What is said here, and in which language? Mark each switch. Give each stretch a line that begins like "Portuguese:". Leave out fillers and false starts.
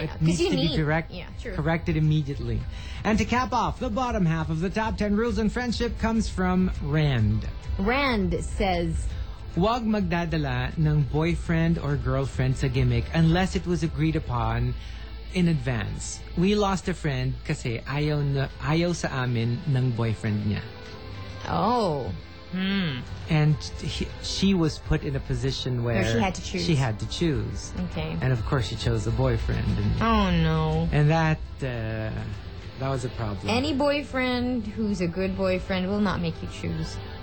English: it needs to be corrected immediately. And to cap off, the bottom half of the top 10 rules in friendship comes from Rand. Rand says,
Filipino: wag magdadala ng boyfriend or girlfriend sa gimmick
English: unless it was agreed upon in advance. We lost a friend
Filipino: kasi ayaw sa amin ng boyfriend niya. Oh. Hmm.
English: And she was put in a position where she had to choose. She had to choose. Okay. And of course she chose a boyfriend. Oh, no. And that was a problem. Any boyfriend who's a good boyfriend will not make you choose.